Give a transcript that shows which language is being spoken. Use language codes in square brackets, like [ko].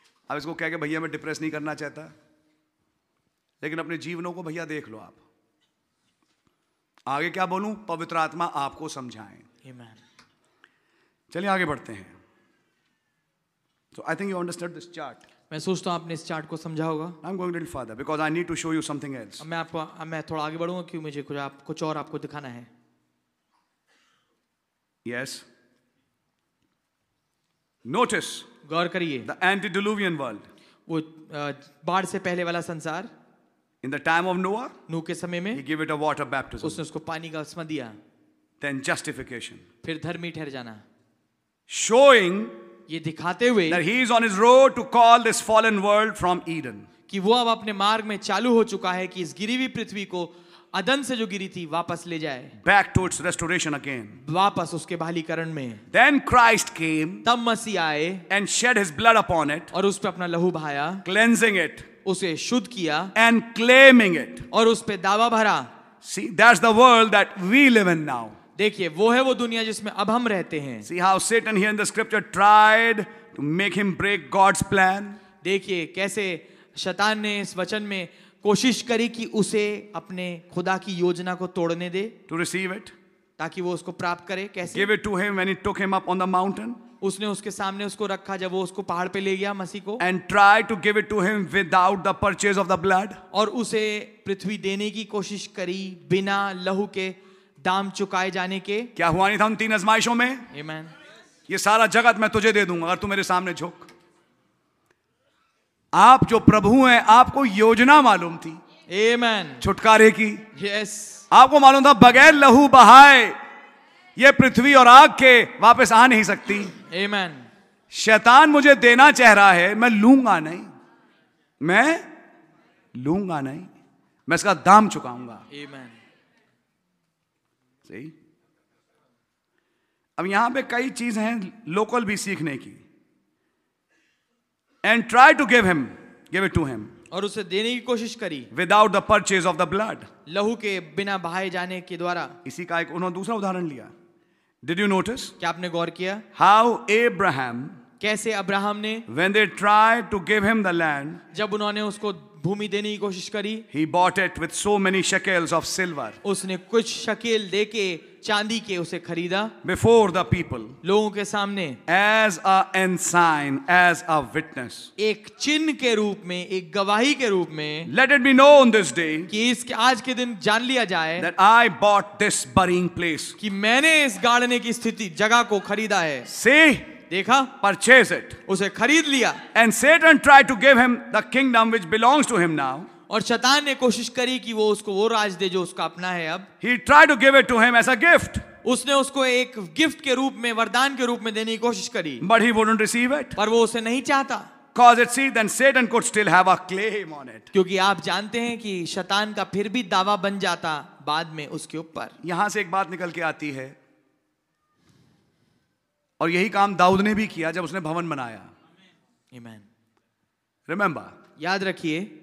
[hi] अब इसको कह के भैया मैं डिप्रेस नहीं करना चाहता, लेकिन अपने जीवनों को भैया देख लो. आप आगे क्या बोलूं, पवित्र आत्मा आपको समझाएं. आमीन. चलिए आगे बढ़ते हैं. [en] So I think you understand this chart. [hi] आपने इस चार्ट को समझा होगा. [en] I'm going a little further because I need to show you something else. [hi] मैं थोड़ा आगे बढ़ूंगा क्योंकि मुझे कुछ और आपको दिखाना है. [en] Yes. Notice. [hi] गौर करिए. [en] The antediluvian world. [hi] वो बाढ़ से पहले वाला संसार. [en] In the time of Noah. [hi] नूह के समय में. [en] He gave it a water baptism. [hi] उसने उसको पानी का स्नान दिया. [en] Then justification. [hi] फिर धर्मी ठहर जाना. [en] Showing. [hi] ये दिखाते हुए [en] that he is on his road to call this fallen world from Eden. [hi] कि वो अब अपने मार्ग में चालू हो चुका है कि इस गिरी हुई पृथ्वी को अदन से जो गिरी थी वापस ले जाए. [en] Back to its restoration again. [hi] वापस उसके बहालीकरण में. [en] Then Christ came. [hi] तब मसीह आए. [en] And shed his blood upon it. [hi] और उस पे अपना लहू बहाया. [en] Cleansing it. [hi] उसे शुद्ध किया. [en] And claiming it. [hi] और उस पे दावा भरा. [en] See, that's the world that we live in now. [hi] देखिए वो है वो दुनिया जिसमें अब हम रहते हैं. [en] See how Satan here in the scripture tried to make him break God's plan. [hi] देखिए कैसे शैतान ने इस वचन में कोशिश करी कि उसे अपने खुदा की योजना को तोड़ने दे. [en] To receive it. [hi] ताकि वो उसको प्राप्त करे. कैसे? [en] Give it to him when he took him up on the mountain. [hi] उसने उसके सामने उसको रखा जब वो उसको पहाड़ पे ले गया मसीह को. [en] And tried to give it to him without the purchase of the blood. [hi] और उसे पृथ्वी देने की कोशिश करी बिना लहू के दाम चुकाए जाने के. क्या हुआ नहीं था उन 3 आजमाइशों में? [en] Amen. [hi] ये सारा जगत मैं तुझे दे दूंगा अगर तू मेरे सामने झुक. आप जो प्रभु हैं आपको योजना मालूम थी. [en] Amen. [hi] छुटकारे की. [en] Yes. [hi] आपको मालूम था बगैर लहू बहाए ये पृथ्वी और आग के वापस आ नहीं सकती. [en] Amen. [hi] शैतान मुझे देना चाह रहा है, मैं लूंगा नहीं, मैं लूंगा नहीं, मैं इसका दाम चुकाऊंगा. [en] Amen. See? [hi] अब यहां पे कई चीजें हैं लोकल भी सीखने की. [en] and try to give him, give it to him, [hi] और उसे देने की कोशिश करी [en] without the purchase of the blood, [hi] लहू के बिना बहाए जाने के द्वारा. इसी का एक उन्होंने दूसरा उदाहरण लिया. [en] did you notice, [hi] क्या आपने गौर किया? [en] how Abraham, [hi] कैसे अब्राहम ने, [en] when they try to give him the land, [hi] जब उन्होंने उसको भूमि देने की कोशिश करी, [en] he bought it with so many shekels of silver. [hi] उसने कुछ शकेल देके चांदी के उसे खरीदा. [en] Before the people, [hi] लोगों के सामने, [en] as a ensign, as a witness, [hi] एक चिन्ह के रूप में, एक गवाही के रूप में, [en] let it be known this day, [hi] कि इसके आज के दिन जान लिया जाए, [en] that I bought this burying place, [hi] कि मैंने इस गाड़ने की स्थिति जगह को खरीदा है. [en] See? [hi] देखा? [en] Purchase it. [hi] उसे खरीद लिया. [en] And Satan tried to give him the kingdom which belongs to him now. [hi] और शैतान ने कोशिश करी कि वो उसको वो राज दे जो उसका अपना है अब. [en] He tried to give it to him as a gift. [hi] उसने उसको एक गिफ्ट के रूप में, वरदान के रूप में देने की कोशिश करी. [en] But he wouldn't receive it. [hi] पर वो उसे नहीं चाहता. [en] Cause it see, then Satan could still have a claim on it. [hi] क्योंकि आप जानते हैं कि शैतान का फिर भी दावा बन जाता बाद में उसके ऊपर. यहां से एक बात निकल के आती है और यही काम दाऊद ने भी किया जब उसने भवन बनाया. [en] Amen. Remember, [hi] याद रखिए,